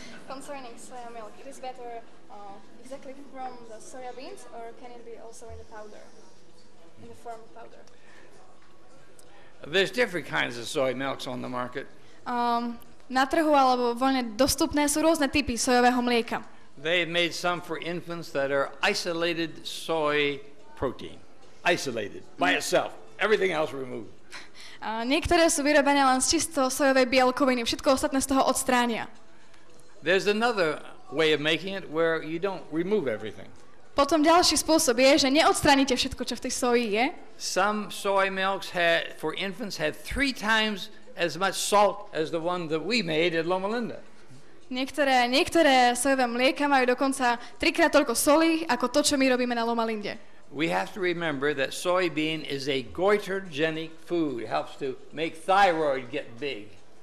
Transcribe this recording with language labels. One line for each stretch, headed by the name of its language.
English: Concerning soya milk, it is better exactly from the soya beans or can it be also in the powder, in the form of powder? There's different kinds of soy milks on the market.
Slovak: Na trhu alebo voľne dostupné sú rôzne typy sojového mlieka.
English: They made some for infants that are isolated soy protein. Isolated by itself. Everything else removed.
Slovak: Niektoré sú vyrobené len z čisto sojovej bielkoviny. Všetko ostatné z toho odstránia.
English: There's another way of making it where you don't remove everything.
Slovak: Potom ďalší spôsob je, že neodstránite všetko, čo v tej soji je.
English: Some soy milks had for infants had 3 times as much salt as the one that we made at Loma Linda.
Slovak: Niektoré sojové mlieka majú dokonca trikrát toľko soli ako to, čo my robíme na Loma Linde.
English: We have to remember that soybean is a goitrogenic food. It helps to make thyroid get big.